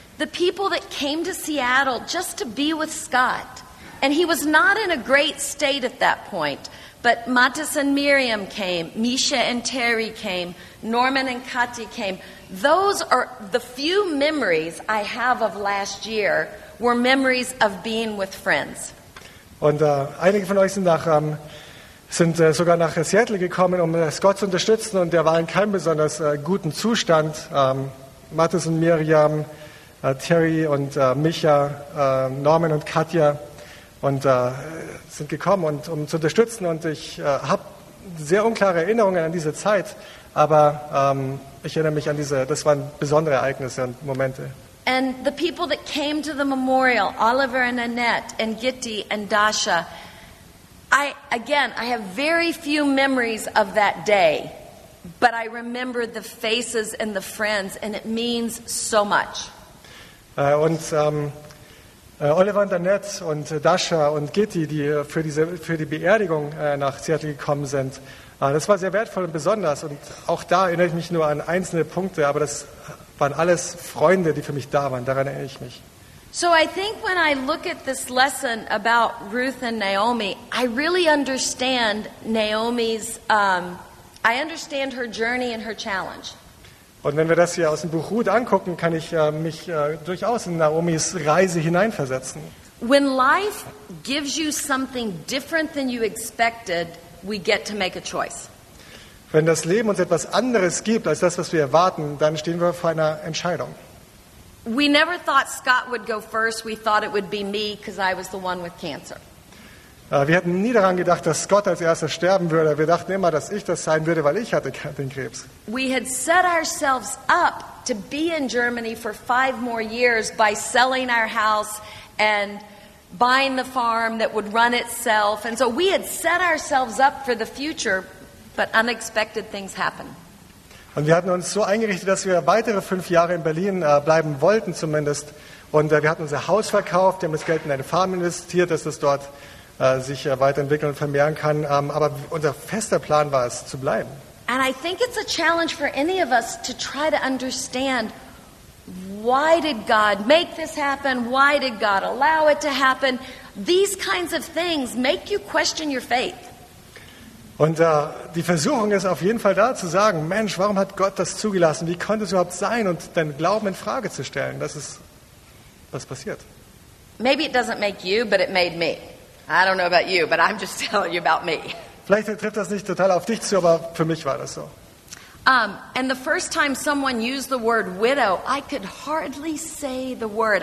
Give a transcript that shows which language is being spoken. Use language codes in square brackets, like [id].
[en] The people that came to Seattle just to be with Scott, and he was not in a great state at that point, but Mattis and Miriam came, Misha and Terry came, Norman and Katy came. Those are the few memories I have of last year were memories of being with friends. [de] Und einige von euch sind sogar nach Seattle gekommen, um Scott zu unterstützen, und der war in keinem besonders guten Zustand. Mattis und Miriam, Terry und Micha, Norman und Katja und sind gekommen, und um zu unterstützen. Und ich habe sehr unklare Erinnerungen an diese Zeit, aber ich erinnere mich an diese, das waren besondere Ereignisse und Momente. [en] And the people that came to the memorial, Oliver and Annette and Gitti and Dasha, I have very few memories of that day, but I remember the faces and the friends, and it means so much. [de] Oliver und Annette und Dasha und Gitti, die für die Beerdigung nach Seattle gekommen sind, das war sehr wertvoll und besonders. Und auch da erinnere ich mich nur an einzelne Punkte, aber das waren alles Freunde, die für mich da waren. Daran erinnere ich mich. [en] So I think when I look at this lesson about Ruth and Naomi, I really understand Naomi's, I understand her journey and her challenge. [de] Und wenn wir das hier aus dem Buch Ruth angucken, kann ich mich durchaus in Naomis Reise hineinversetzen. [en] When life gives you something different than you expected, we get to make a choice. [de] Wenn das Leben uns etwas anderes gibt als das, was wir erwarten, dann stehen wir vor einer Entscheidung. [en] We never thought Scott would go first. We thought it would be me because I was the one with cancer. [de] Wir hatten nie daran gedacht, dass Scott als erster sterben würde. Wir dachten immer, dass ich das sein würde, weil ich hatte den Krebs. [en] We had set ourselves up to be in Germany for 5 more years by selling our house and buying the farm that would run itself. And so we had set ourselves up for the future, but unexpected things happened. [de] Und wir hatten uns so eingerichtet, dass wir weitere 5 Jahre in Berlin bleiben wollten zumindest. Und wir hatten unser Haus verkauft, wir haben das Geld in eine Farm investiert, dass es dort sich weiterentwickeln und vermehren kann. Aber unser fester Plan war es, zu bleiben. [en] And I think it's a challenge for any of us to try to understand, why did God make this happen? Why did God allow it to happen? These kinds of things make you question your faith. [de] Und die Versuchung ist auf jeden Fall da zu sagen, Mensch, warum hat Gott das zugelassen? Wie konnte es überhaupt sein? Und deinen Glauben in Frage zu stellen, das ist, was passiert. [en] Maybe it doesn't make you, but it made me. I don't know about you, but I'm just telling you about me. [de] Vielleicht trifft das nicht total auf dich zu, aber für mich war das so. [en] And the first time someone used the word widow, I could hardly say the word.